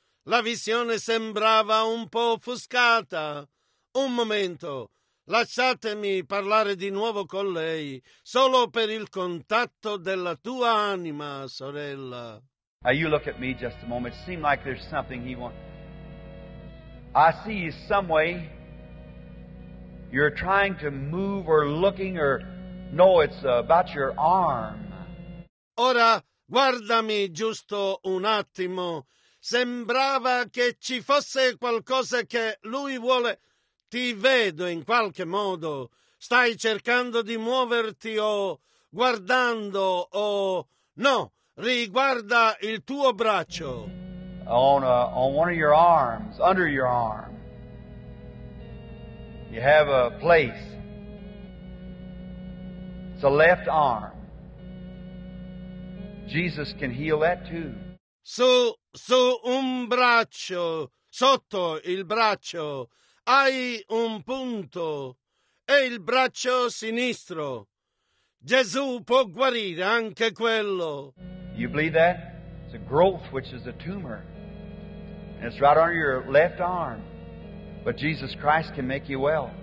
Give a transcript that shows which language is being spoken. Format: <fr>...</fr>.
<it>La visione sembrava un po' offuscata. Un momento, lasciatemi parlare di nuovo con lei, solo per il contatto della tua anima, sorella.</it> <en>Now you look at me just a moment. It seemed like there's something he wants. I see you some way. You're trying to move or looking or... No, it's about your arm.</en> <it>Ora, guardami giusto un attimo. Sembrava che ci fosse qualcosa che lui vuole. Ti vedo in qualche modo. Stai cercando di muoverti o guardando o... No, riguarda il tuo braccio.</it> <en>On one of your arms, under your arm. You have a place. It's a left arm. Jesus can heal that too.</en> <it>Su un braccio, sotto il braccio hai un punto e il braccio sinistro. Gesù può guarire anche quello.</it> <en>You believe that? It's a growth which is a tumor. And it's right under your left arm. But Jesus Christ can make you well.</en>